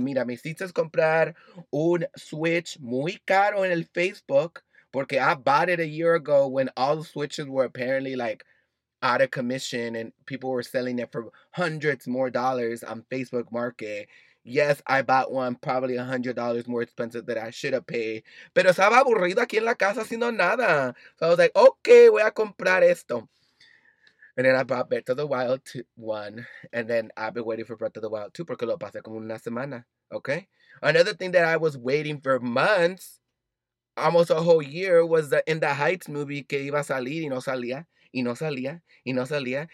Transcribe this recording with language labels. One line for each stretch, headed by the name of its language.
Spanish: Mira, me hiciste comprar un Switch muy caro en el Facebook porque
English: I bought it a year ago when all the Switches were apparently like out of commission and people were selling it for hundreds more dollars on Facebook Market. Yes, I bought one probably $100 more expensive than I should have paid.
Spanish: Pero estaba aburrido aquí en la casa haciendo nada.
English: So I was like, okay,
Spanish: voy a comprar esto.
English: And then I bought Breath of the Wild 1. And then I've been waiting for Breath of the Wild 2
Spanish: porque lo pasé como una semana.
English: Okay? Another thing that I was waiting for months, almost a whole year, was the In the Heights movie
Spanish: que iba a salir y no salía.